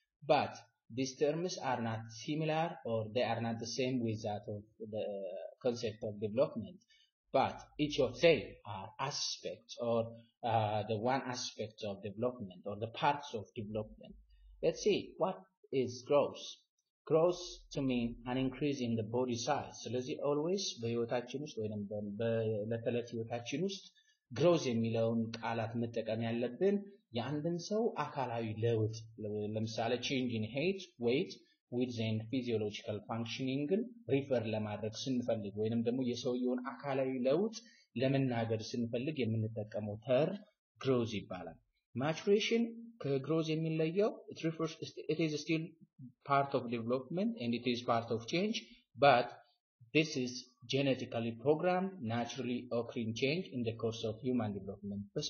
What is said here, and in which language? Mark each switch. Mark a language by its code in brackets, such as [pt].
[en] But these terms are not similar, or they are not the same with that of the concept of development. But each of them are aspects, or the one aspect of development, or the parts of development. Let's see, what is growth? Growth to mean an increase in the body size. So let's see, always [am] በህይወታችን ውስጥ ወይንም በለተለት ህይወታችን ውስጥ growth የሚለውን ቃላት መጠቀም ያለብን የአንድን ሰው አካላዊ ለውጥ ለምሳሌ [en] change in weight with then physiological functioning refer [am] ለማድረግ ስንፈልግ ወይንም ደግሞ የሰውየውን አካላዊ ለውጥ ለመናገር ስንፈልግ የምንጠቀመው term growth ይባላል. [en] Maturation, it is still part of development and it is part of change, but this is genetically programmed, naturally occurring change in the course of human development.